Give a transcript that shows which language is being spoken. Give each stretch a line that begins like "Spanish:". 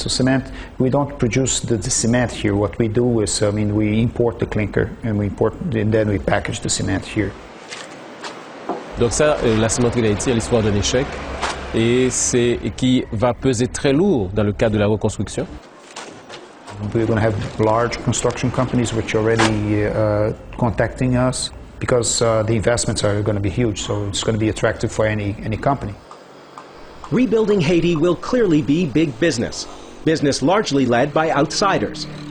English: So cement, we don't produce the cement here. What we do is, I mean, we import the clinker and we import, and then we package the cement here.
French: Donc ça, la cimenterie d'Haïti a l'histoire d'un échec et c'est qui va peser très lourd dans le cadre de la reconstruction.
English: We're going to have large construction companies which are already contacting us because the investments are going to be huge, so it's going to be attractive for any company. Rebuilding Haiti will clearly be big business, business largely led by outsiders.